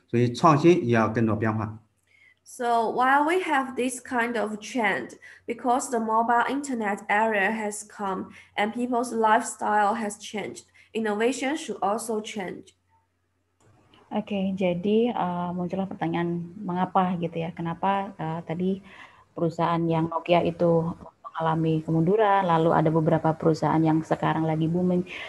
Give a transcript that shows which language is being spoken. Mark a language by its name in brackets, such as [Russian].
[Chinese] 为什么有这样的变化呢？是因为移动互联网时代来了，人们的生活方式变了，所以创新也要跟着变化。 [English] So while we have this kind of trend, because the mobile internet era has come and people's lifestyle has changed, innovation should also change. [Indonesian] Okay, jadi muncullah pertanyaan mengapa gitu ya? Kenapa tadi perusahaan yang Nokia itu mengalami kemunduran, lalu ada beberapa perusahaan yang sekarang lagi booming?